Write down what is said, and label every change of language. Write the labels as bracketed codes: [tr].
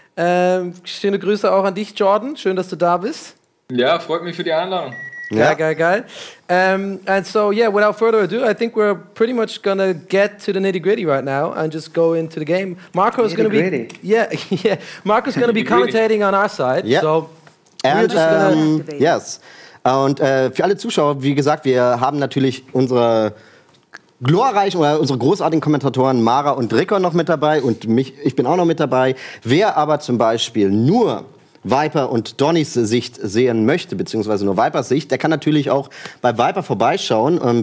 [de] Schöne Grüße auch an dich, Jordan. Schön, dass du da bist. Ja, freut mich für die Einladung. Geil, geil, geil. [en] And so, yeah, without further ado, I think we're pretty much going to get to the nitty-gritty right now and just go into the game. Marco's going to be... Marco's going to be commentating on our side. Yeah. So, and, we're just going to... Yes. [de] Und für alle Zuschauer, wie gesagt, wir haben natürlich unsere glorreichen oder unsere großartigen Kommentatoren Mara und Rickon noch mit dabei und mich, ich bin auch noch mit dabei. Wer aber zum Beispiel nur Viper und Donnys Sicht sehen möchte, beziehungsweise nur Vipers Sicht, der kann natürlich auch bei Viper vorbeischauen.